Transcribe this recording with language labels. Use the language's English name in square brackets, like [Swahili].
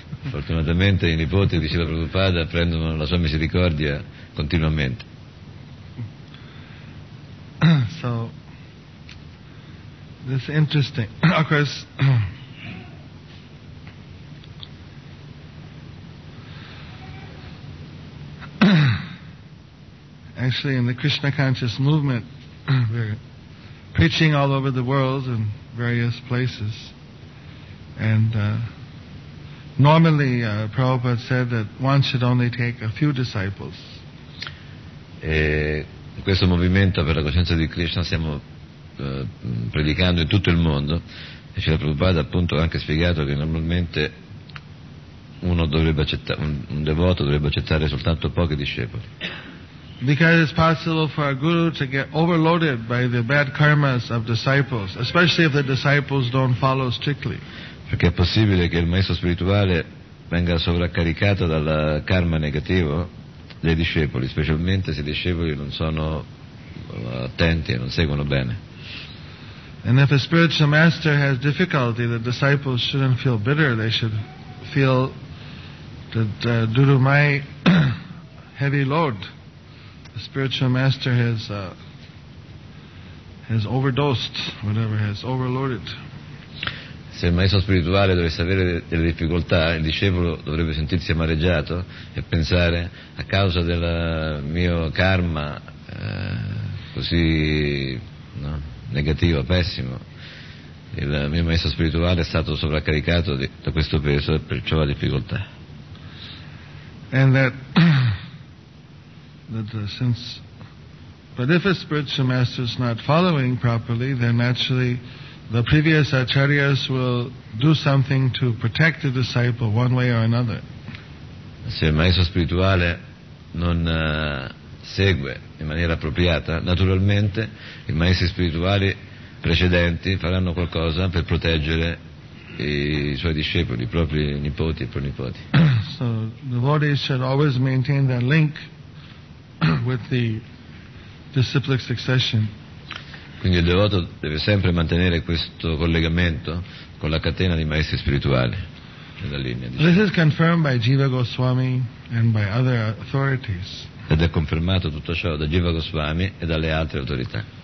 [Italian] Fortunatamente i nipoti di Srila Prabhupada prendono la sua misericordia continuamente. [English] So This is interesting. Of course, actually, in the Krishna conscious movement, we're preaching all over the world in various places. And normally, Prabhupada said that one should only take a few disciples. [Italian] In questo movimento per la coscienza di Krishna siamo predicando in tutto il mondo, e Srila Prabhupada appunto ha anche spiegato che normalmente uno dovrebbe accettare, un devoto dovrebbe accettare soltanto pochi discepoli. [English] Because it's possible for a guru to get overloaded by the bad karmas of disciples, especially if the disciples don't follow strictly. [Italian] Perché è possibile che il maestro spirituale venga sovraccaricato dal karma negativo dei discepoli, specialmente se i discepoli non sono attenti e non seguono bene. [English] And if a spiritual master has difficulty, the disciples shouldn't feel bitter. They should feel that due to my heavy load, the spiritual master has overdosed, whatever, has overloaded. [Italian] Se il maestro spirituale dovesse avere delle difficoltà, il discepolo dovrebbe sentirsi amareggiato e pensare: a causa del mio karma così, no, negativo, pessimo, il mio maestro spirituale è stato sovraccaricato da questo peso e perciò ha difficoltà. [English] And since, but if a spiritual master is not following properly, then naturally the previous acharyas will do something to protect the disciple one way or another. [Italian] Se il maestro spirituale non segue in maniera appropriata, naturalmente i maestri spirituali precedenti faranno qualcosa per proteggere i suoi discepoli, i propri nipoti e pronipoti. [English] So the devotees should always maintain that link with the disciplic succession. [Italian] Quindi il devoto deve sempre mantenere questo collegamento con la catena di maestri spirituali, nella linea, diciamo. [English] This is confirmed by Jiva Goswami and by other authorities. [Italian] Ed è confermato tutto ciò da Jiva Goswami e dalle altre autorità.